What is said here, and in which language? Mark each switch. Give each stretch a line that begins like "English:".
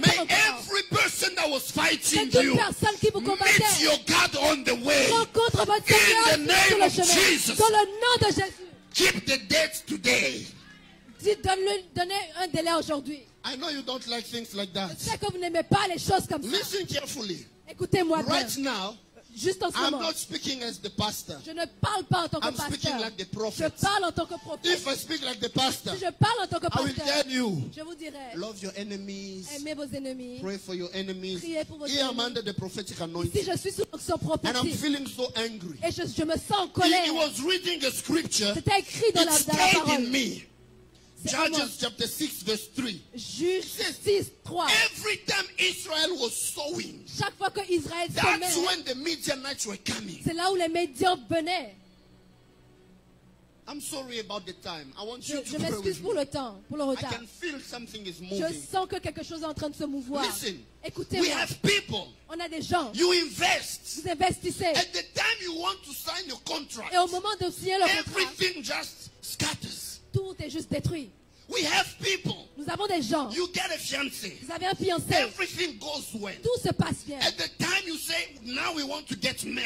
French: pas encore.
English: Every person that was fighting
French: toute
English: you
French: personne qui vous combattait.
English: Meet your God on the way.
French: Rencontre votre
English: in the name
French: sur le
English: of
French: chemin.
English: Jesus.
French: Dans le nom de Jésus.
English: Keep the date today.
French: Donnez un délai aujourd'hui.
English: I know you don't like things like that.
French: Je sais que vous n'aimez pas les choses comme ça.
English: Listen carefully.
French: Écoutez-moi bien.
English: Right now,
French: juste en ce moment,
English: I'm not speaking as the pastor.
French: Je ne parle pas en tant que
English: I'm
French: pasteur.
English: Speaking like the prophet.
French: Je parle en tant que prophète.
English: If I speak like the pastor,
French: si je parle en tant que pasteur,
English: I will tell you,
French: je vous dirai,
English: love your enemies,
French: aimez vos ennemis,
English: pray for your enemies,
French: priez pour vos
English: here
French: ennemis.
English: I'm under the prophetic anointing.
French: Si je suis sous l'onction prophétique,
English: and I'm feeling so angry.
French: Et je me sens en colère.
English: He was reading a scripture.
French: C'était écrit dans
English: it
French: la parole.
English: In me. Judges chapter 6 verse 3. Judges 6 3. Every time Israel was sowing.
French: Chaque fois que Israël semait.
English: That's when the Midianites were coming.
French: C'est là où les Midianites venaient.
English: I'm sorry about the time. I want you to pray.
French: Je m'excuse pour le temps, pour le retard.
English: I can feel something is moving.
French: Je sens que quelque chose est en train de se mouvoir.
English: Listen.
French: Écoutez-moi.
English: We have people.
French: On a des gens.
English: You invest.
French: Vous investissez.
English: At the time you want to sign your contract.
French: Et au moment de signer le contrat.
English: Everything just scatters.
French: Tout est juste détruit.
English: We have people.
French: Nous avons des gens.
English: You get a fiancé.
French: Vous avez un fiancé.
English: Everything goes well.
French: Tout se passe bien.
English: At the time you say now we want to get married.